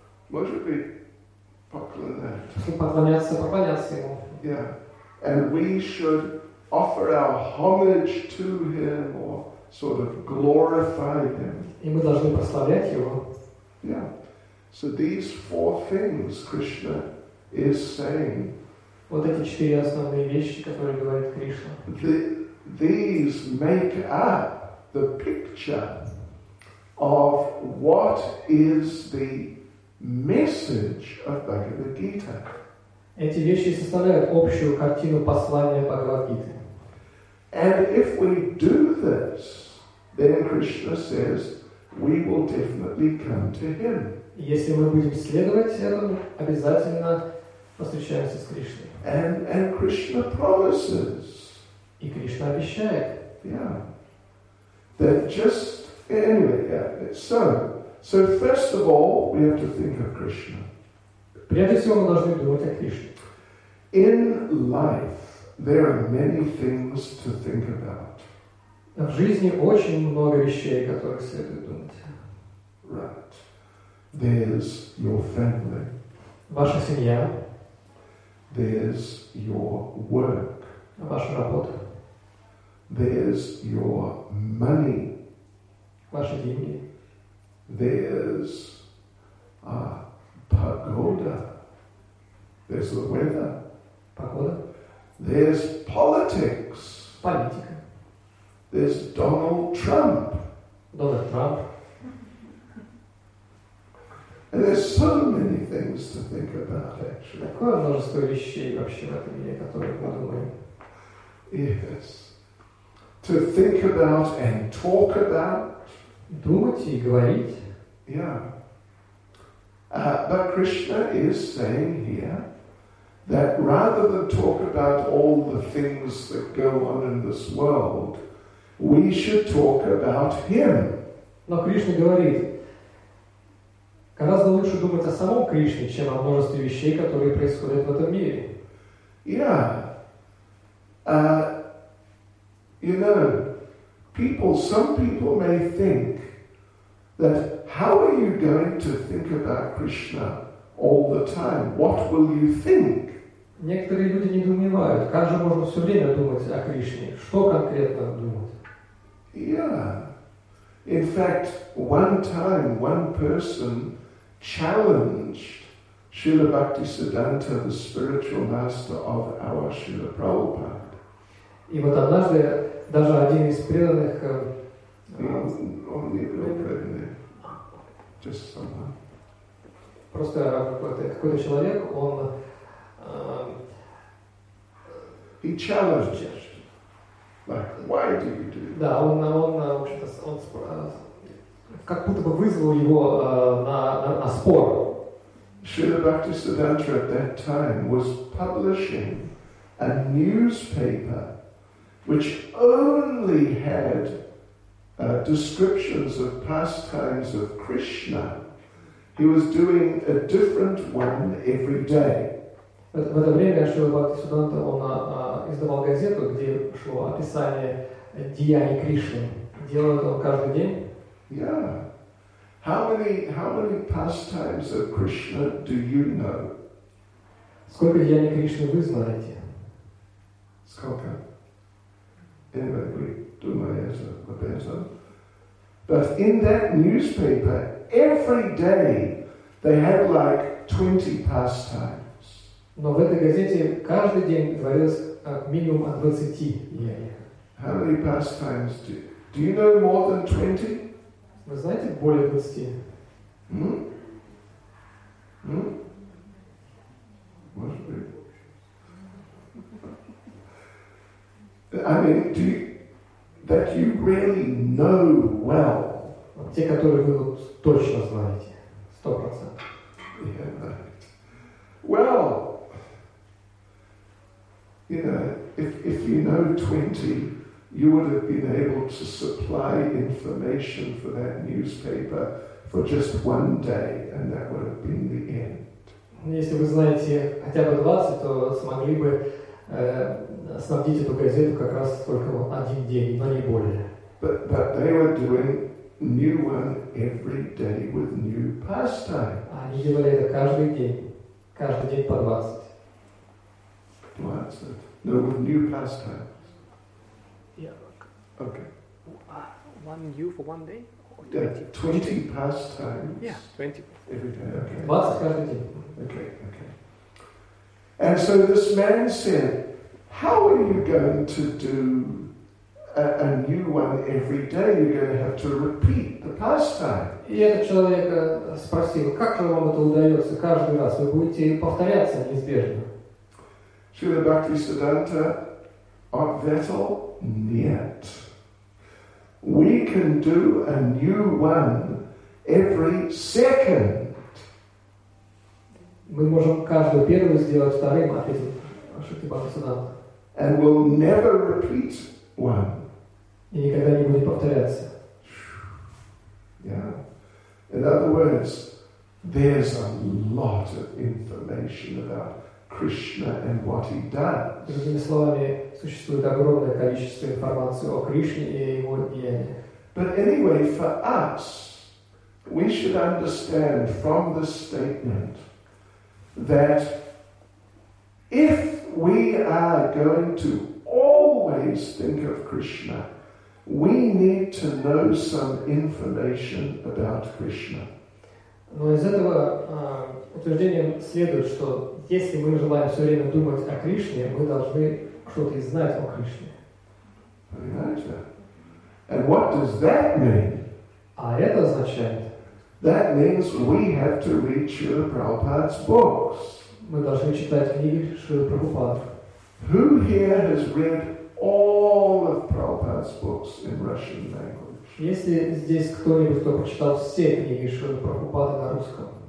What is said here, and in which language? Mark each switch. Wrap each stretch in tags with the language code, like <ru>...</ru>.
<ru>Может быть, поклоняться. Поклоняться ему.</ru> <en>Yeah. And we should offer our homage to him or sort of glorify him.</en> <ru>И мы должны прославлять его.</ru> <en>Yeah. So these four things Krishna is saying.</en> <ru>Вот эти четыре основные вещи, которые говорит Кришна.</ru> <en>These make up the picture of what is the message of Bhagavad Gita.</en> <ru>Эти вещи составляют общую картину послания Бхагавад Гиты.</ru> <en>And if we do this, then Krishna says we will definitely come to him.</en> <ru>Если мы будем следовать этому, обязательно постучаемся с Кришной.</ru> <en>And Krishna promises.</en> <ru>И Кришна обещает.</ru> <en>Yeah. That just anyway, yeah. So first of all, we have to think of Krishna.</en> <ru>Прежде всего мы должны думать о Кришне.</ru> <en>In life there are many things to think about.</en> <ru>В жизни очень много вещей, о которых следует думать.</ru> <en>Right. There's your family.</en> <ru>Ваша семья.</ru> <en>There's your work.</en> <ru>Ваша работа.</ru> <en>There's your money.</en> <ru>Ваши деньги.</ru> <en>There's pagoda. There's the weather.</en> <ru>Погода.</ru> <en>There's politics.</en> <ru>Политика.</ru> <en>There's Donald Trump.</en> <ru>Donald Trump.</ru> <en>And there's so many things to think about, actually.</en> <ru>Какое множество вещей вообще в этом мире, которые мы думаем.</ru> <en>Yes. To think about and talk about.</en> <ru>Думать и говорить.</ru> <en>Yeah. But Krishna is saying here that rather than talk about all the things that go on in this world, we should talk about him.</en> <ru>Но Кришна говорит, гораздо лучше думать о самом Кришне, чем о множестве вещей, которые происходят в этом мире.</ru> <en>Yeah. You know, some people may think that how are you going to think about Krishna all the time? What will you think?</en> <ru>Некоторые люди недоумевают, как же можно все время думать о Кришне? Что конкретно думать?</ru> <en>Yeah. In fact, one time, one person challenged Śrīla Bhaktisiddhānta, the spiritual master of our Śrīla Prabhupāda.</en> <ru>И вот однажды даже один из преданных... Он не был преданный.</ru> <en>Just someone.</en> <ru>Просто какой-то человек, он...</ru> <en>He challenged. Like, why do you do that?</en> <ru>Да, он, в общем-то, он... как будто бы вызвал его на спор.</ru> <en>Srila Bhaktisiddhanta at that time was publishing a newspaper which only had descriptions of pastimes of Krishna. He was doing a different one every day.</en> <ru>В это время Шрила Бхактисиддханта издавал газету, где шло описание деяний Кришны. Делал это он каждый день.</ru> <en>Yeah. How many pastimes of Krishna do you know?</en> <ru>Сколько деяний Кришны вы знаете? Сколько?</ru> <en>Anyway, do my answer a better. But in that newspaper, every day they had like 20 pastimes.</en> <ru>Но в этой газете каждый день говорилось минимум о 20 деяниях.</ru> <en>How many pastimes do you know more than 20?</en> <ru>Вы знаете более 20? Hmm? Hmm? Может быть.</ru> <en>I mean, that you really know well.</en> <ru>Те, которые вы точно знаете. 100%.</ru> <en>Yeah, right. Well, you know, if you know 20, you would have been able to supply information for that newspaper for just one day, and that would have been the end. Если вы знаете хотя бы 20, то смогли бы снабдить эту газету как раз только один день, но не более. But they were doing new one every day with new pastime. Они делали это каждый день по 20. No, with new pastimes. Yeah. Okay. One new for one day? Or 20 pastimes. Yeah, 20. Every day, okay. What's happening? Okay, okay. And so this man said, how are you going to do a new one every day? You're going to have to repeat the pastime.</en> <ru>И этот человек спросил, как же вам это удается каждый раз? Вы будете повторяться неизбежно.</ru> <en>Srila Bhaktisiddhanta Avetal Niyat. We can do a new one every second.</en> <ru>Мы можем каждую первую сделать вторым, ответил Шрила Бхактисиддханта.</ru> <en>And we'll never repeat one.</en> <ru>И никогда не будет повторяться.</ru> <en>Yeah. In other words, there's a lot of information about Krishna and what he does.</en> <ru>Другими словами, существует огромное количество информации о Кришне и его деяниях.</ru> <en>But anyway, for us, we should understand from this statement that if we are going to always think of Krishna, we need to know some information about Krishna.</en> <ru>Но из этого утверждения следует, что если мы желаем все время думать о Кришне, мы должны что-то и знать о Кришне. Понимаете?</ru> <en>And what does that mean?</en> <ru>А это означает?</ru> <en>That means we have to read Srila Prabhupada's books.</en> <ru>Мы должны читать книги Шрилы Прабхупады.</ru> <en>Who here has read all of Prabhupada's books in Russian language?</en> <ru>Если здесь кто-нибудь, кто прочитал все книги Шрилы Прабхупады на русском?</ru>